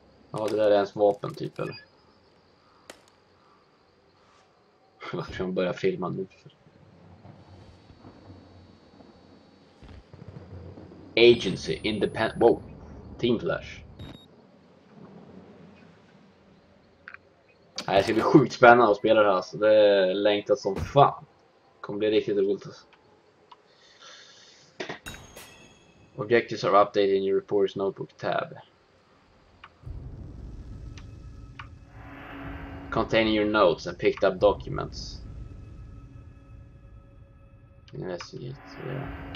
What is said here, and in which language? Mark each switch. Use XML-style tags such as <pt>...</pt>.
<sv>Ja, det där är ens vapen typ, eller? Varför ska man börja filma nu?</sv> <en>Agency, independent, wow, Team Flash.</en> <sv>Det här ska bli sjukt spännande att spela det här, alltså. Det är längtat som fan. Det kommer bli riktigt roligt, alltså.</sv> <en>Objectives are updated in your reporter's notebook tab. Containing your notes and picked up documents. Investigate, yeah.</en>